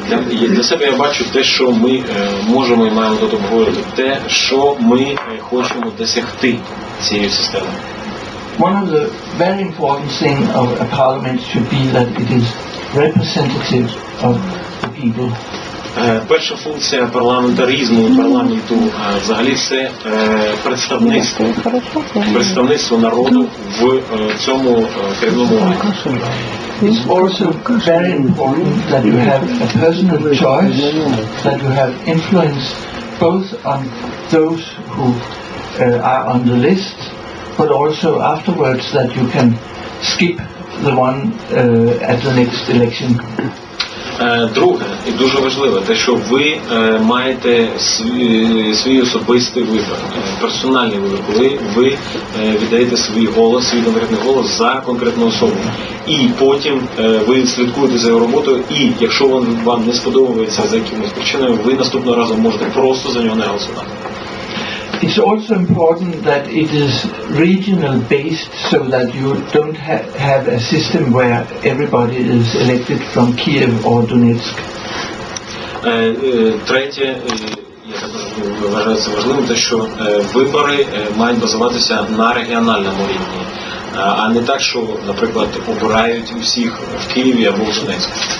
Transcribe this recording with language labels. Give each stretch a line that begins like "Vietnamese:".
Ukrainian: Для себе я бачу те, що ми можемо і маємо тут обговорити, те, що ми хочемо досягти цією системою.
English: One of the very important things of a parliament should be that it is representative of the people.
Ukrainian: Перша функція парламентаризму, парламенту, взагалі це представництво. Представництво народу в цьому керівному органі.
English: It's also very important that you have a personal choice, that you have influence both on those who are on the list, but also afterwards that you can skip the one at the next election.
Ukrainian: Друге, і дуже важливе, те, що ви маєте свій особистий вибір, персональний вибір, коли ви віддаєте свій голос, свій конкретний голос за конкретну особу. І потім ви слідкуєте за його роботою, і якщо він вам не сподобається за якимось причиною, ви наступного разу можете просто за нього не голосувати.
English: It's also important that it is regional based, so that you don't have a system where everybody is elected from Kiev or Donetsk.
Ukrainian: Третє, я вважаю це важливим, те, що вибори мають базуватися на регіональному рівні, а не так, що, наприклад, обирають усіх в Києві або в Донецьку.